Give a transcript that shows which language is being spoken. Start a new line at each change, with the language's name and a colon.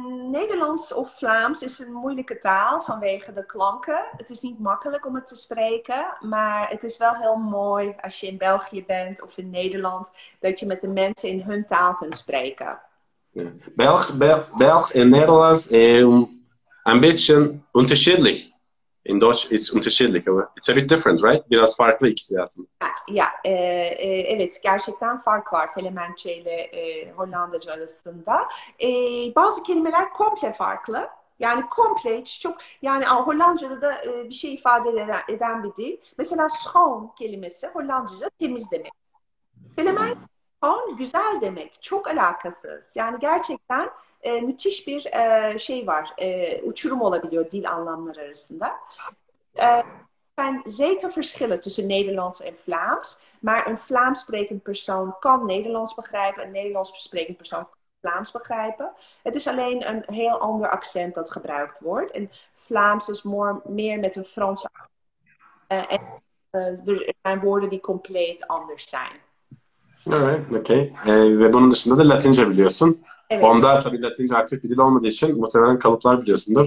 Dutch: Nederlands of Vlaams is een moeilijke taal vanwege de klanken. Het is niet makkelijk om het te spreken, maar het is wel heel mooi als je in België bent of in Nederland, dat je met de mensen in hun taal kunt spreken. Belg en Nederlands is een beetje verschillend.
English: In Dutch it's unterschiedlich, ama it's a bit different, right?
Turkish: Biraz farklı ikisi aslında. Evet, gerçekten fark var Felemençe ile Hollandaca arasında. Bazı kelimeler komple farklı. Yani komple hiç çok, yani Hollandaca'da da bir şey ifade eden bir dil. Mesela schoon kelimesi Hollandaca temiz demek. Felemençe schoon güzel demek. Çok alakasız. Yani gerçekten müthiş bir şey var. Uçurum olabiliyor dil anlamları arasında.
Dutch: Er zijn zeker verschillen tussen Nederlands en Vlaams, maar een Vlaams sprekend persoon kan Nederlands begrijpen, een Nederlands sprekend persoon kan Vlaams begrijpen. Het is alleen een heel ander accent dat gebruikt wordt. En Vlaams is meer met een Franse accent. Er zijn woorden die compleet anders zijn.
English: Alright, okay.
Turkish: Ve bunun dışında da Latince biliyorsun. Evet. Onda tabii Latince aktif bir dil olmadığı için muhtemelen kalıplar biliyorsundur.